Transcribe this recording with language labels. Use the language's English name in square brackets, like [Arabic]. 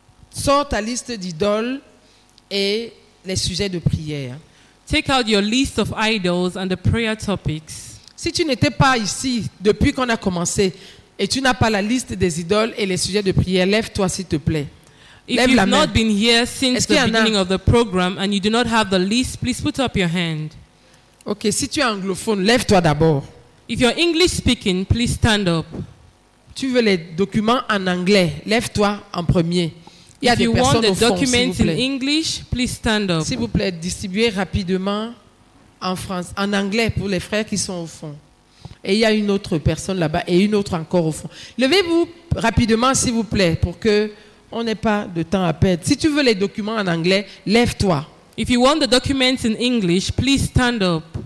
[French] Sors ta liste d'idoles et les sujets de prière. [English] Take out your list of idols and the prayer topics. [French] Si tu n'étais pas ici depuis qu'on a commencé et tu n'as pas la liste des idoles et les sujets de prière, lève-toi s'il te plaît. [English] If [French] lève [English] you've [French] la main. [English] Not been here since the beginning of the program and you do not have the list, please put up your hand. [French] Ok, si tu es anglophone, lève-toi d'abord. [English] If you're English speaking, please stand up. [French] Tu veux les documents en anglais, lève-toi en premier. Il y a des personnes au fond, s'il vous plaît. [English] If you want the document in English, please stand up. [French] S'il vous plaît, distribuez rapidement en France, en anglais pour les frères qui sont au fond. Et il y a une autre personne là-bas et une autre encore au fond. Levez-vous rapidement, s'il vous plaît, pour que on n'ait pas de temps à perdre. Si tu veux les documents en anglais, lève-toi. [English] If you want the documents in English, please stand up.